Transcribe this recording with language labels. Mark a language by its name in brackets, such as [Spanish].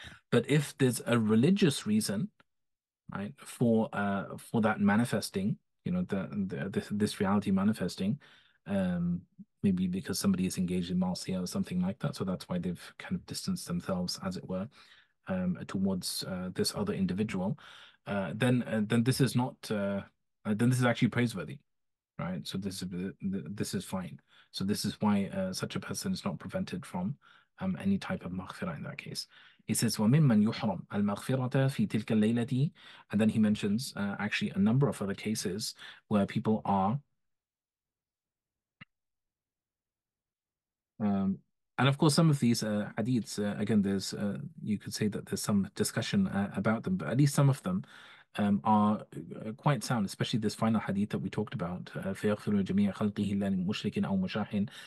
[English] But if there's a religious reason, right, for that manifesting, this reality manifesting, maybe because somebody is engaged in marcia or something like that, so that's why they've kind of distanced themselves, as it were, towards this other individual, then this is not, then this is actually praiseworthy, right? So this is fine. So this is why such a person is not prevented from any type of maghfirah in that case. He says, [Arabic] وَمِمَّنْ يُحْرَمْ أَلْمَغْفِرَةَ فِي تِلْكَ اللَّيْلَةِ. [English] And then he mentions actually a number of other cases where people are. And of course, some of these hadiths, again, there's you could say that there's some discussion about them, but at least some of them are quite sound, especially this final hadith that we talked about, [Arabic] فَيَغْفِرُ جَمِيعَ خَلْقِهِ لَا مُشْرِكٍ أَوْ مُشَاحٍ.